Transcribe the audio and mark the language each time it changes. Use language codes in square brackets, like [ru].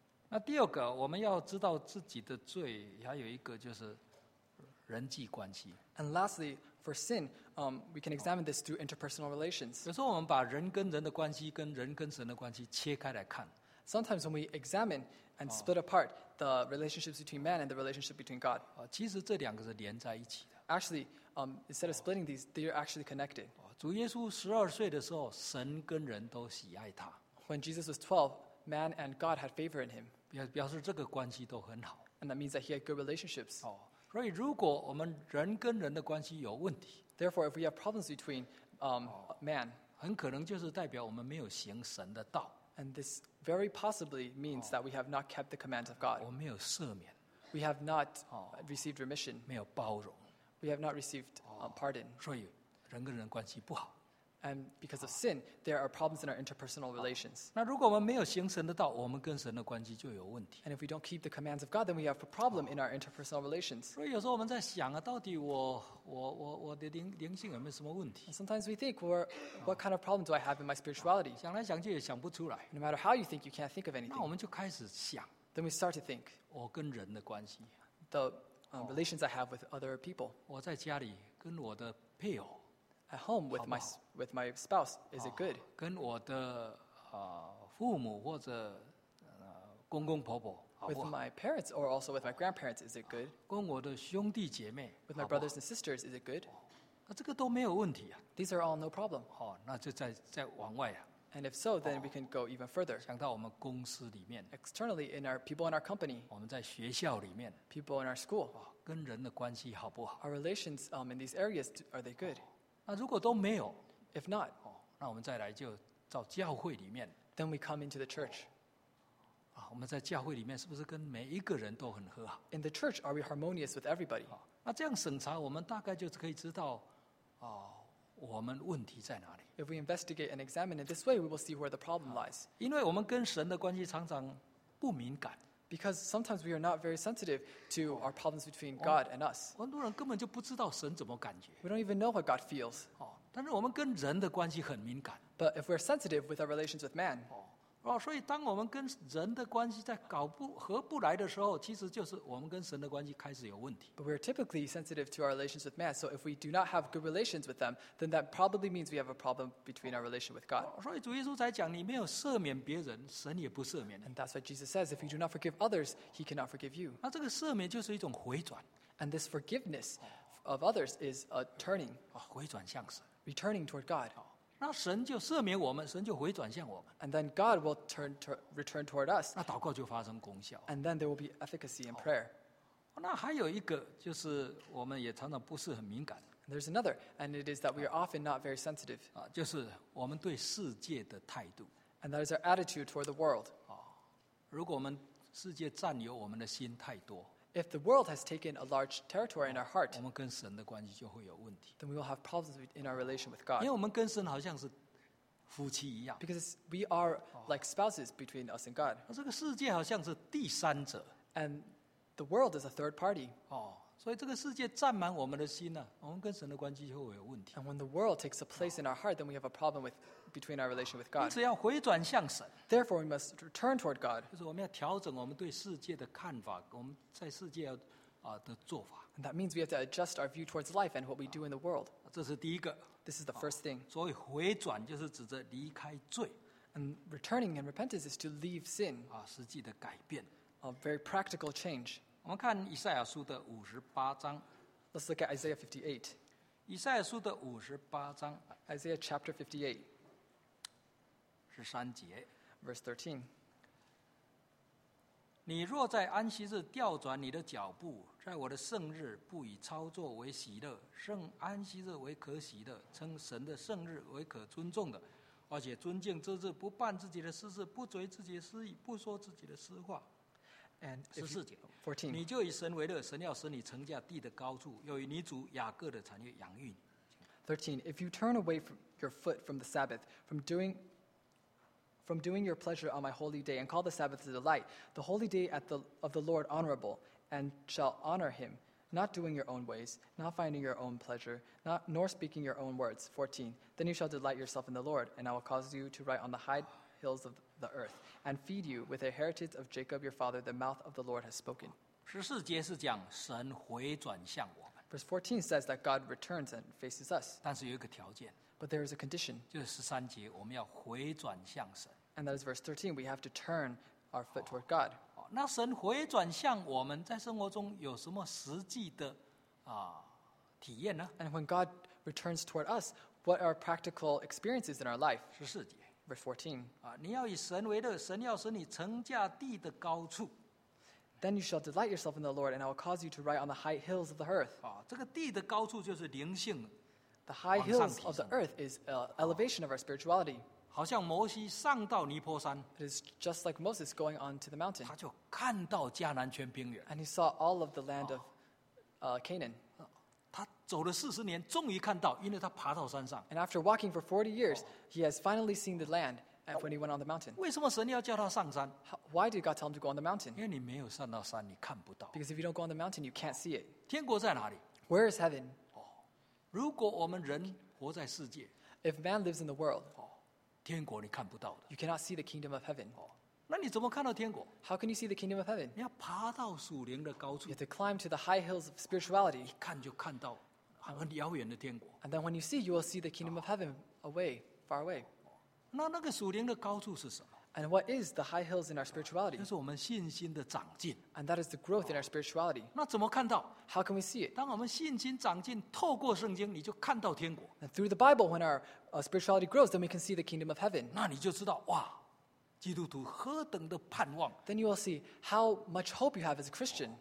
[zh] 那第二个，我们要知道自己的罪，还有一个就是。人际关系。 [en] And lastly, for sin, we can examine this through interpersonal relations. [zh] 有时候我们把人跟人的关系跟人跟神的关系切开来看。 [en] Sometimes when we examine and split apart the relationships between man and the relationship between God. [zh] 其实这两个是连在一起的。 [en] Actually, instead of splitting these, they are actually connected. [zh] 主耶稣十二岁的时候，神跟人都喜爱他。 [en] When Jesus was 12, man and God had favor in him. [zh] 表示这个关系都很好。 [en] And that means that he had good relationships. [zh] 所以，如果我们人跟人的关系有问题 [en] ，Therefore, if we have problems between man, [zh] 很可能就是代表我们没有行神的道。 [en] And this very possibly means that we have not kept the commands of God. [zh] 我没有赦免。 [en] We have not received remission. [zh] 没有包容。 [en] We have not received pardon. [zh] 所以，人跟人关系不好。 [en] And because of sin, there are problems in our interpersonal relations. [zh] 那如果我们没有行神的道，我们跟神的关系就有问题。 [en] And if we don't keep the commands of God, then we have a problem in our interpersonal relations. [zh] 所以有时候我们在想啊，到底我的灵性有没有什么问题 [en] ？And sometimes we think, what kind of problem do I have in my spirituality? [zh] 想来想去也想不出来。 [en] No matter how you think, you can't think of anything. [zh] 那我们就开始想。 [en] Then we start to think. [zh] 我跟人的关系。 [en] The relations I have with other people. [zh] 我在家里跟我的配偶。 [en] At home with my spouse, is it good? [zh] 跟我的父母或者公公婆婆 [en] With my parents or also with my grandparents, is it good? [zh] 跟我的兄弟姐妹 [en] With my brothers and sisters, is it good? [zh] 那这个都没有问题啊 [en] These are all no problem. [zh] 那就再往外啊 [en] And if so, then we can go even further. [zh] 想到我们公司里面 [en] Externally, in our people in our company. [zh] 我们在学校里面 [en] People in our school. [zh] 跟人的关系好不好 [en] Our relations in these areas, are they good? [zh] 那如果都没有 [en] ，If not， [zh] 那我们再来就到教会里面。 [en] Then we come into the church。 [zh] 我们在教会里面是不是跟每一个人都很和好 [en] ？In the church, are we harmonious with everybody？ [zh] 那这样审查，我们大概就可以知道，我们问题在哪里 [en] ？If we investigate and examine it this way, we will see where the problem lies。 [zh] 因为我们跟神的关系常常不敏感。 [en] Because sometimes we are not very sensitive to our problems between God and us. [zh] 很多人根本就不知道神怎么感觉。 [en] We don't even know what God feels. [zh] 但是我们跟人的关系很敏感。 [en] But if we're sensitive with our relations with man. [zh] 所以当我们跟人的关系在搞不合不来的时候，其实就是我们跟神的关系开始有问题。 [en] But we're typically sensitive to our relations with man. So if we do not have good relations with them, then that probably means we have a problem between our relation with God. [zh] 所以主耶稣才讲，你没有赦免别人，神也不赦免。 [en] And that's why Jesus says, if you do not forgive others, he cannot forgive you. [zh] 那这个赦免就是一种回转。 [en] And this forgiveness of others is a turning. [zh] 回转向神。 [en] Returning toward God. [zh] 那神就赦免我们，神就回转向我们。 [en] And then God will return toward us. [zh] 那祷告就发生功效。 [en] And then there will be efficacy in prayer. [zh] 那还有一个就是我们也常常不是很敏感。 [en] There's another, and it is that we are often not very sensitive. [zh] 就是我们对世界的态度。 [en] And that is our attitude toward the world. [zh] 如果我们世界占有我们的心太多。 [en] If the world has taken a large territory in our heart, [zh] 我们跟神的关系就会有问题。 [en] Then we will have problems in our relation with God. [zh] 因为我们跟神好像是夫妻一样。 [en] Because we are like spouses between us and God. [zh] 这个世界好像是第三者。 [en] And the world is a third party. [zh] 哦，所以这个世界占满我们的心呢，我们跟神的关系就会有问题。 [en] And when the world takes a place in our heart, then we have a problem with between our relation with God. [zh] 因此要回转向神。 [en] Therefore, we must return toward God. [zh] 就是我们要调整我们对世界的看法，我们在世界要。 [en] And that means we have to adjust our view towards life and what we do in the world. [zh] 这是第一个。 [en] This is the first thing. [zh] 所以回转就是指着离开罪。 [en] And returning and repentance is to leave sin. [zh] 实际的改变。 [en] A very practical change. [zh] 我们看以赛亚书的五十八章。 [en] Let's look at Isaiah 58. [zh] 以赛亚书的五十八章。 [en] Isaiah chapter 58. [zh] 十三节。 [en] Verse 13. [zh] 你若在安息日调转你的脚步，在我的圣日不以操作为喜乐，圣安息日为可喜的，称神的圣日为可尊重的，而且尊敬之日，不办自己的私事，不随自己的私意，不说自己的私话。 [en] And [zh] 14节 14. 你就以神为乐，神要使你成家地的高处，又以你主雅各的产业养育你。 13. [en] If you turn away from your foot from the Sabbath, from doing your pleasure on my holy day and call the Sabbath a delight, the holy day of the Lord honorable, and shall honor him, not doing your own ways, not finding your own pleasure, nor speaking your own words. 14. Then you shall delight yourself in the Lord, and I will cause you to ride on the high hills of the earth, and feed you with the heritage of Jacob your father, the mouth of the Lord has spoken. [zh] 14节是讲神回转向我们。 [en] Verse 14 says that God returns and faces us. [zh] 但是有一个条件。 [en] But there is a condition. [zh] 就是13节我们要回转向神。 [en] And that is verse 13. We have to turn our foot toward God. [zh] 那神回转向我们在生活中有什么实际的体验呢？ [en] And when God returns toward us, what are practical experiences in our life? [zh] 14节。 [en] Verse 14. [zh] 你要以神为乐，神要使你成家地的高处。 [en] Then you shall delight yourself in the Lord, and I will cause you to ride on the high hills of the earth. [zh] 这个地的高处就是灵性。 [en] The high hills of the earth is elevation of our spirituality. [zh] 好像摩西上到尼坡山。 [en] It is just like Moses going on to the mountain. [zh] 他就看到迦南全平原。 [en] And he saw all of the land of Canaan. [zh] 他走了40年，终于看到，因为他爬到山上。 [en] And after walking for 40 years, he has finally seen the land when he went on the mountain. [zh] 为什么神要叫他上山？ [en] Why did God tell him to go on the mountain? [zh] 因为你没有上到山，你看不到。 [en] Because if you don't go on the mountain, you can't see it. [zh] 天国在哪里？ [en] Where is heaven? [zh] 如果我们人活在世界， [en] If man lives in the world, [zh] 天国你看不到的。 [en] You cannot see the kingdom of heaven. [zh] 那你怎么看到天国？ [en] How can you see the kingdom of heaven? [zh] 你要爬到属灵的高处。 [en] You have to climb to the high hills of spirituality. [zh] 一看就看到很遥远的天国。 [en] And then when you see, you will see the kingdom of heaven away, far away. [zh] 那个属灵的高处是什么？ [en] And what is the high hills in our spirituality? [zh] 就是我们信心的长进。 [en] And that is the growth in our spirituality. [zh] 那怎么看到？ [en] How can we see it? [zh] 当我们信心长进，透过圣经，你就看到天国。 [en] And through the Bible, when our spirituality grows, then we can see the kingdom of heaven. [zh] 那你就知道，哇，基督徒何等的盼望。 [en] Then you will see how much hope you have as a Christian.